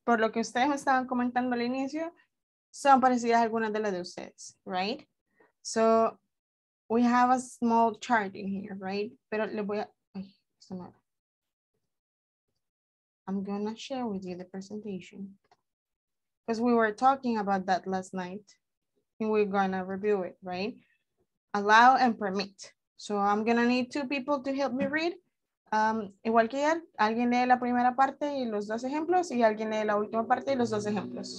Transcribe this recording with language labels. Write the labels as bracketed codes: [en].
[es] Por lo que ustedes me estaban comentando al inicio, son parecidas a algunas de las de ustedes, right? [en] So we have a small chart in here, right? [es] Pero le voy a, [en] I'm gonna share with you the presentation because we were talking about that last night and we're gonna review it, right? Allow and permit. So I'm gonna need two people to help me read. [es] Igual que ayer, alguien lee la primera parte y los dos ejemplos y alguien lee la última parte y los dos ejemplos.